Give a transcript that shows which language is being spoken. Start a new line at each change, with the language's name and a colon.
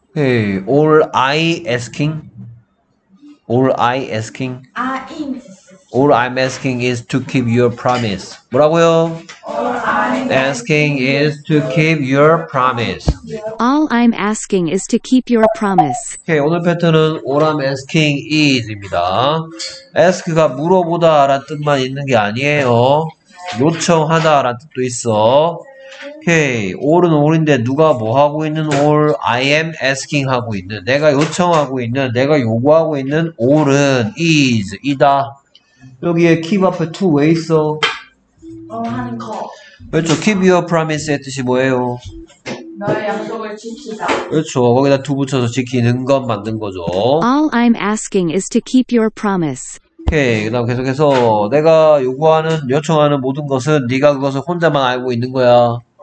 English: Hey, all I asking, all I asking, all I'm asking is to keep your promise.
Korean: 뭐라고요?
English: All I'm asking is to keep your promise. All I'm asking is to keep your promise.
Korean: Okay, 오늘 패턴은
English: all I'm asking is
Korean: 입니다. ask가 물어보다 라는 뜻만 있는 게 아니에요. 요청하다 라는 뜻도 있어. Okay, all은 all인데 누가 뭐 하고 있는 all,
English: I am asking
Korean: 하고 있는, 내가 요청하고 있는, 내가 요구하고 있는 all은 is, 이다. 여기에 keep 앞에 to 왜 있어? 하는 거. 그렇죠.
English: keep your promise
Korean: 의 뜻이 뭐예요? 너의 약속을 지키다. 그렇죠. 거기다 to 붙여서 지키는 것 만든 거죠.
English: All I'm asking is to keep your promise.
Korean: 오케이. 그 다음 계속해서 내가 요구하는, 요청하는 모든 것은 네가 그것을 혼자만 알고 있는 거야.